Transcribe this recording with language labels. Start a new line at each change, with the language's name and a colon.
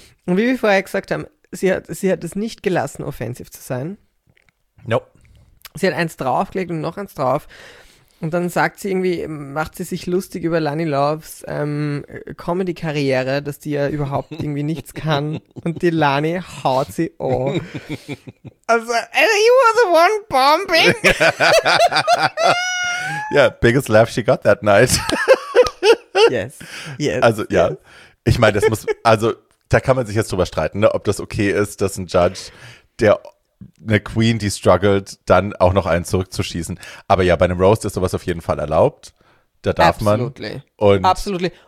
German: Und wie wir vorher gesagt haben, sie hat es nicht gelassen, offensiv zu sein. Nope. Sie hat eins draufgelegt und noch eins drauf. Und dann sagt sie irgendwie, macht sie sich lustig über Lani Loves Comedy-Karriere, dass die ja überhaupt irgendwie nichts kann. Und die Lani haut sie auch. Also,
English: you were the one bombing. Yeah, biggest laugh she got that night. Yes, yes.
German: Also, ja. Ich meine, das muss, also, da kann man sich jetzt drüber streiten, ne, ob das okay ist, dass ein Judge, der eine Queen, die struggelt, dann auch noch einen zurückzuschießen. Aber ja, bei einem Roast ist sowas auf jeden Fall erlaubt. Da darf man. Absolut.